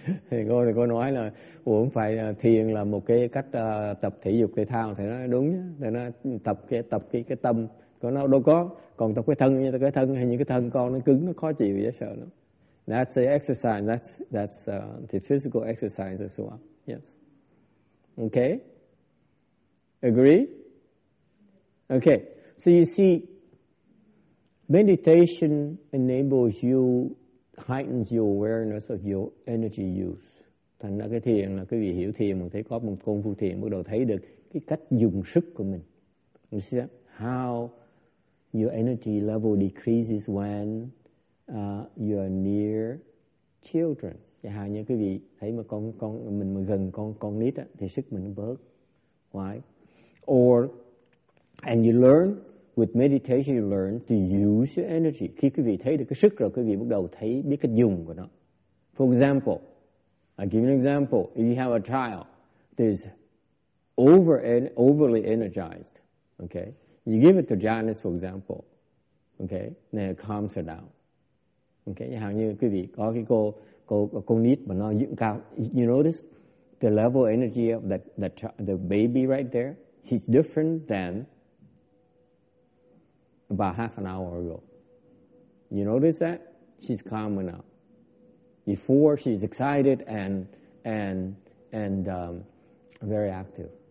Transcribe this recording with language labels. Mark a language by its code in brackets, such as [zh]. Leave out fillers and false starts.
[vi] Thì cô thì cô nói là uống phải thiền là một cái cách tập thể dục thể thao thì nó đúng nhá, để nó tập cái tâm của nó đâu có, còn tập cái thân hay những cái thân con nó cứng nó khó chịu dễ sợ lắm. [en] That's the exercise, that's the physical exercise as well. Yes, okay, agree. Okay, so you see, meditation enables you, heightens your awareness of your energy use. [vi] Thành ra cái thiền là quý vị hiểu thiền, mình thấy có một công phu thiền, bắt đầu thấy được cái cách dùng sức của mình. [en] You see that? How your energy level decreases when you are near children. [vi] Chẳng hạn như quý vị thấy mà con mình mà gần con nít á, thì sức mình bớt. [en] Why? Or, and you learn, with meditation you learn to use your energy. [vi] Khi quý vị thấy được cái sức rồi, quý vị bắt đầu thấy biết cách dùng của nó. [en] For example, I give you an example. If you have a child that is overly energized, okay, you give it to Janice, for example, okay, then it calms her down. [vi] Okay, hầu như quý vị có cái con nít mà nó dựng cao. [en] You notice the level of energy of the baby right there? She's different than about half an hour ago. You notice that? She's calmer now. Before, she's excited and very active.